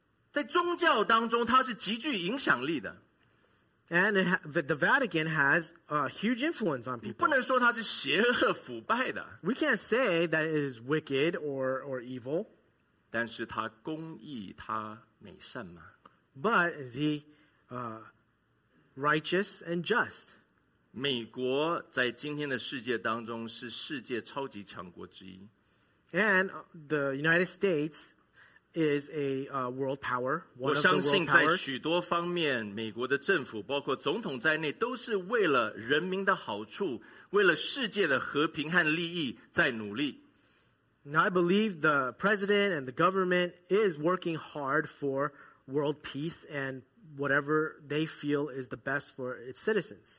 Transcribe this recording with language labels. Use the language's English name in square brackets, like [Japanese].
[Chinese] 在宗教当中，它是极具影响力的。 [English] And the Vatican has a huge influence on people. [Chinese] 不能说它是邪恶腐败的。 [English] We can't say that it is wicked or evil. [Chinese] 但是它公义，它美善吗？ [English] But is he righteous and just? [Chinese] 美国在今天的世界当中是世界超级强国之一。 [English] And the United States is a world power. One [Chinese] 我相信在许多方面，美国的政府包括总统在内，都是为了人民的好处，为了世界的和平和利益在努力。 [English] Now I believe the president and the government is working hard for world peace and whatever they feel is the best for its citizens.